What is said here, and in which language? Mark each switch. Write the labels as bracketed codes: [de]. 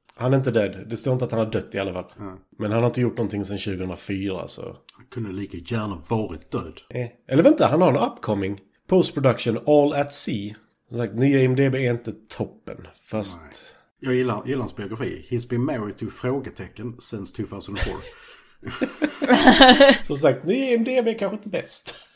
[sv] Han är inte död. Det står inte att han har dött i alla fall. Mm. Men han har inte gjort någonting sedan 2004. Så... Han kunde lika gärna varit död. Eller vänta, han har en upcoming. Post-production, All at Sea. Like, nya IMDb är inte toppen. Fast... Nej. Jag gillar hans biografi. [en] He's been married to frågetecken since 2004. [sv] Som sagt, nya IMDb är kanske inte bäst.